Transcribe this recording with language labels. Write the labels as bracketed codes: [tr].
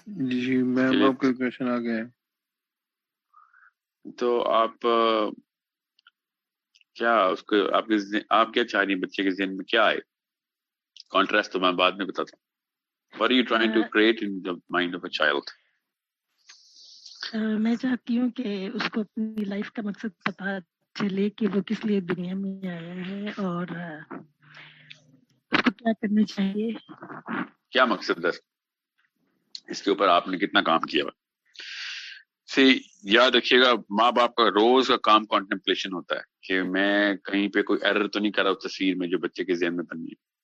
[ur] جی میں آپ کا کوشچن آ گیا. تو آپ کیا اس کو آپ کیا چاہ رہی ہیں بچے کے ذہن میں کیا آئے کانٹراسٹ؟ تو میں بعد میں بتاتا ہوں. [en] What are you trying to create in the mind of a child? [ur] میں چاہتی ہوں کہ اس کو اپنی لائف کا مقصد پتا چلے کہ وہ کس لیے دنیا میں آیا ہے اور اس کو کیا کرنا چاہیے. کیا مقصد ہے اس کے اوپر آپ نے کتنا کام کیا ہوا؟ یاد رکھیے گا ماں باپ کا روز کا کام کانٹمپلیشن ہوتا ہے کہ میں کہیں پہ کوئی ایرر تو نہیں کر رہا اس تصویر میں جو بچے کے ذہن میں بننی ہے.